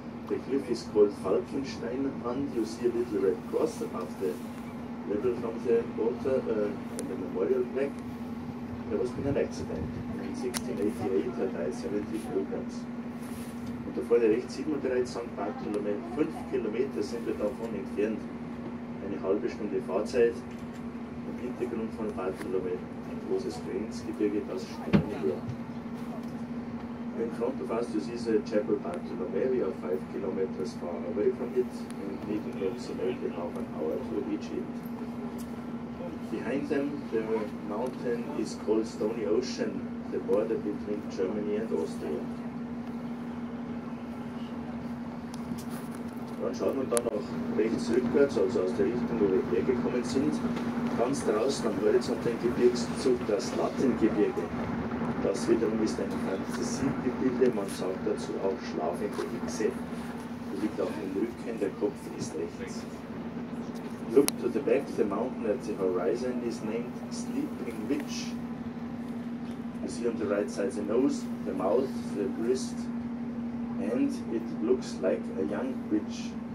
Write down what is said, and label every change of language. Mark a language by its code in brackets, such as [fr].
[en] The cliff is called Falkenstein, and you see a little red cross above the level from the water and the memorial plaque. There was been an accident in 1688 at 70 kilograms. [de] Und da vorne rechts sieht man bereits St. Bartholomä. 5 Kilometer sind wir davon entfernt. Eine halbe Stunde Fahrzeit im Hintergrund von Bartholomä. Ein großes Grenzgebirge, das steinerne Meer. [en] In front of us, you see the Chapel Bartholomä. We are 5 kilometers far away from it and need approximately half an hour to reach it. Behind them, the mountain is called Stony Ocean, the border between Germany and Austria. [de] Dann schaut man dann noch rechts rückwärts, also aus der Richtung, wo wir hergekommen sind. Ganz draußen am Horizont den Gebirgszug, das Lattengebirge. Das wiederum ist ein Fantasiegebilde, man sagt dazu auch schlafende Hexe. Die liegt auf dem Rücken, der Kopf ist rechts. [en] Look to the back, the mountain at the horizon is named Sleeping Witch. You see on the right side the nose, the mouth, the wrist, and it looks like a young witch.